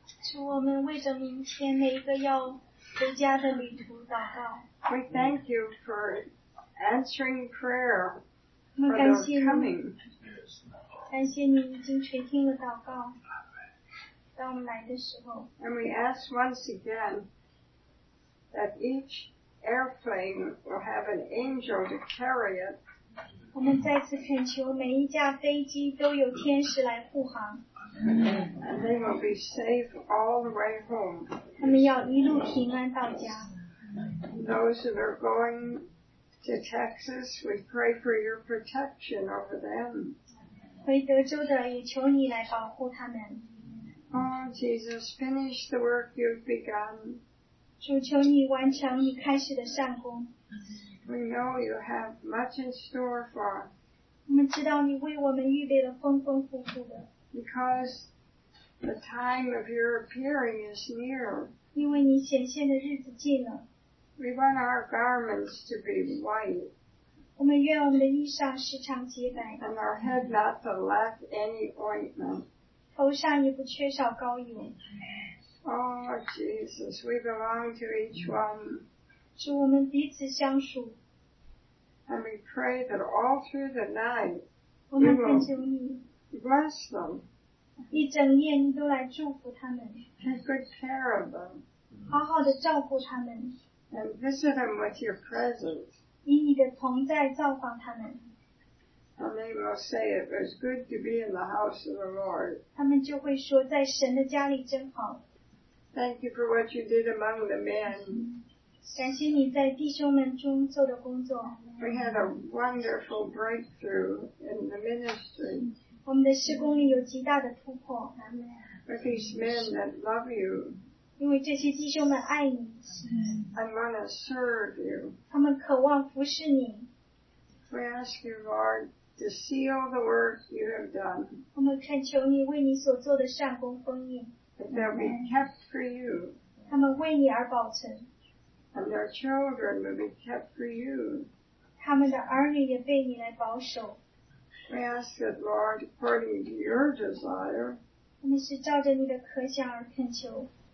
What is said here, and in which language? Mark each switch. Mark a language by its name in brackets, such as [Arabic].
[Chinese] 主，我们为着明天每一个要回家的旅途祷告。 [English] We thank you for answering prayer for their coming. [Chinese] 感谢你已经垂听了祷告。当我们来的时候。 [English] And we ask once again that each airplane will have an angel to carry it. [Chinese] 我们再次恳求每一架飞机都有天使来护航。 [English] And they will be safe all the way home. [Chinese] 他们要一路平安到家。 [English] Those that are going to Texas, we pray for your protection over them. [Chinese] 回德州的也求你来保护他们。 [English] Oh, Jesus, finish the work you've begun. [Chinese] 主求你完成你开始的善工。 [English] We know you have much in store for us. [Chinese] 我们知道你为我们预备了丰丰富富的。 [English] Because the time of your appearing is near. [Chinese] 因为你显现的日子近了。 [English] We want our garments to be white. [Chinese] 我们愿我们的衣裳时常洁白。 [English] And our head not to lack any ointment. [Chinese] 头上也不缺少膏油。 [English] Oh, Jesus, we belong to each one. [Chinese] 主，我们彼此相属。 [English] And we pray that all through the night, [Chinese] 我们恳求你。 [English] Bless them. [Chinese] 一整夜你都来祝福他们。 [English] Take good care of them. [Chinese] 好好的照顾他们。 [English] And visit them with your presence. [Chinese] 以你的同在造访他们。 [English] And they will say it was good to be in the house of the Lord. [Chinese] 他们就会说在神的家里真好。 [English] Thank you for what you did among the men. [Chinese] 感谢你在弟兄们中做的工作。 [English] We had a wonderful breakthrough in the ministry. [Chinese] 我们的事工里有极大的突破。 [English] With these men that love you. [Chinese] 因为这些弟兄们爱你。 [English] I want to serve you. [Chinese] 他们渴望服侍你。 [English] We ask you, Lord, to seal the work you have done. [Chinese] 我们恳求你为你所做的善功封印。 [English] That they'll be kept for you. [Chinese] 他们为你而保存。 [English] And their children will be kept for you. [Chinese] 他们的儿女也被你来保守。 [English] We ask that, Lord, according to your desire. [Chinese] 我们是照着你的可想而恳求。